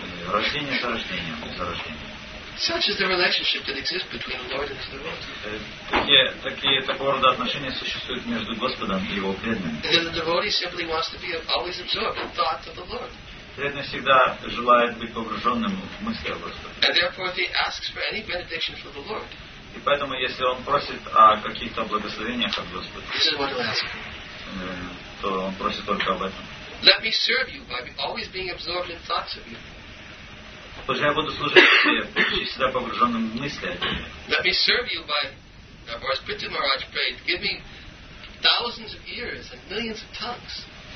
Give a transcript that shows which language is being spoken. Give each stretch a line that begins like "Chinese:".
Russian: Рождение за рождением, за рождением.
English: Such is the relationship that exists between the Lord and his devotee.
Russian: Такие такого рода отношения существуют между Господом и его преданными.
English: And then the devotee simply wants to be always absorbed in thought of the Lord.
Russian: Преданный всегда желает быть погруженным в мысли о Господе.
English: And therefore, if he asks for any benediction from the Lord,
Russian: и поэтому, если он просит о каких-то благословениях от Господа,
English: this is what he'll ask.
Russian: То он просит только об этом.
English: Let me serve you by always being absorbed in thoughts of you.
Russian: Боже, я буду служить тебе, будучи всегда погруженным в мысли о тебе.
English: Let me serve you by, or as Prithvi Maharaj prayed, give me thousands of ears and millions of tongues.